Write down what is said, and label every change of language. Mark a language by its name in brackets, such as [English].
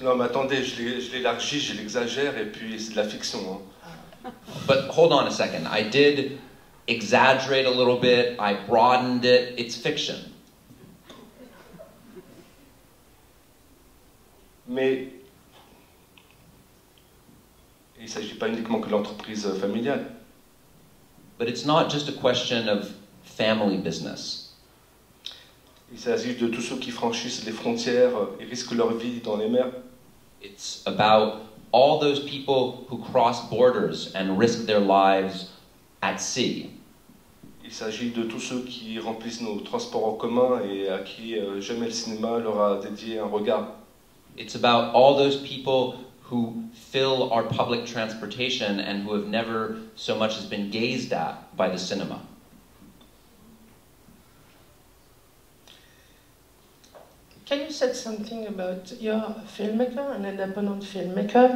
[French] Non, mais attendez, je l'élargis, je l'exagère, et puis c'est de la fiction. Hein. [English] But hold on a second, I did exaggerate a little bit, I broadened it, it's fiction. [French] Mais il ne s'agit pas uniquement que l'entreprise familiale. [English] But it's not just a question of family business. [French] Il s'agit de tous ceux qui franchissent les frontières et risquent leur vie dans les mers. [English] It's about all those people who cross borders and risk their lives at sea. [French] Il s'agit de tous ceux qui remplissent nos transports en commun et à qui jamais le cinéma leur a dédié un regard. [English] It's about all those people who fill our public transportation and who have never so much as been gazed at by the cinema. Can you say something about your filmmaker, an independent filmmaker?